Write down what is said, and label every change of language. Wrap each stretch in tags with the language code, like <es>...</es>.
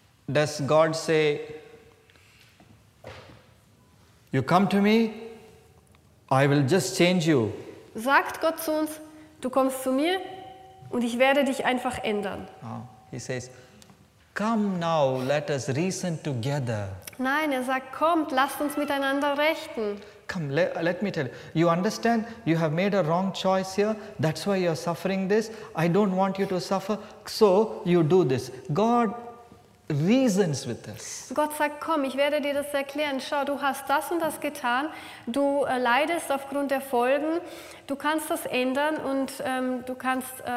<en>Does God say, you come to me, I will just change you?</en> <de>Sagt Gott zu uns, du kommst zu mir und ich werde dich einfach ändern.</de> <en>Oh, he says, come now, let us reason together.</en> <de>Nein, er sagt, kommt, lasst uns miteinander rechten.</de> <en>Come, let me tell you. You understand, you have made a wrong choice here. That's why you're suffering this. I don't want you to suffer. So you do this. God reasons with us.</en> <de>Gott sagt, komm, ich werde dir das erklären. Schau, du hast das und das getan. Du leidest aufgrund der Folgen. Du kannst das ändern und du kannst...</de>